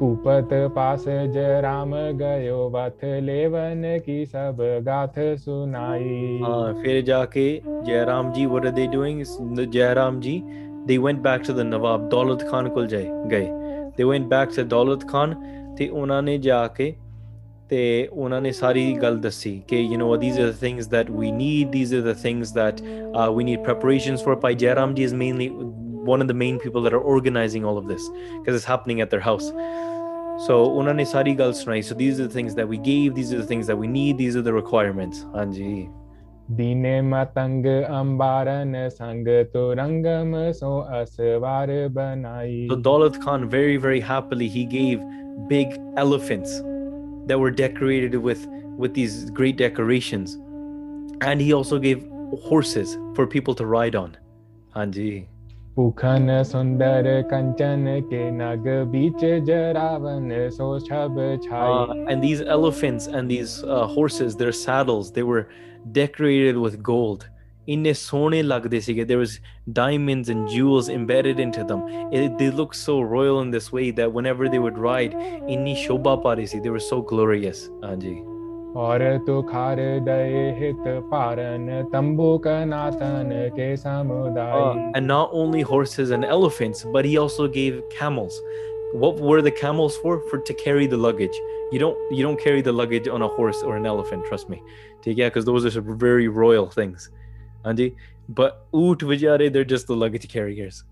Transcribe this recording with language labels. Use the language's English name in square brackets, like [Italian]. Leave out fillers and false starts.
[Braj] उपत पास जय राम गयो वथ लेवन की सब गाथ सुनाई। [Punjabi] हाँ, फिर जाके जयराम जी, [English] what are they doing? Jairam ji, they went back to the Nawab, Daulat Khan [Punjabi] कोल जाए गए. [English] They went back to Daulat Khan, [Punjabi] ते उन्होंने जाके ते उन्होंने सारी गल दसी कि [English] you know these are the things that we need, these are the things that we need preparations for. पर Jairam ji is mainly one of the main people that are organizing all of this because it's happening at their house. [Punjabi] So उन्होंने सारी गल सुनाई. [English] So these are the things that we gave, these are the things that we need, these are the requirements. हाँ जी. [Braj] दीने मतंग अंबारन संग तुरंगम सो असवार बनाई। [English] So Daulat Khan very very happily he gave big elephants that were decorated with these great decorations, and he also gave horses for people to ride on. हाँ जी. [Braj] उखन सुंदर कंचन के नग बीच जरावन सो छब छाई। [English] And these elephants and these horses, their saddles, they were decorated with gold. [Punjabi] Inne sone lagde sige. [English] There was diamonds and jewels embedded into them. They looked so royal in this way that whenever they would ride, [Punjabi] inni shobha pare si. [English] They were so glorious. Anji. [Braj] और तुखार दय हित पारन तंबू कनातन के समुदाय। [English] And not only horses and elephants, but he also gave camels. What were the camels for? For to carry the luggage. You don't carry the luggage on a horse or an elephant, trust me. Yeah, because those are some very royal things. Anji. But [Punjabi] oot vichare, [English] they're just the luggage carriers.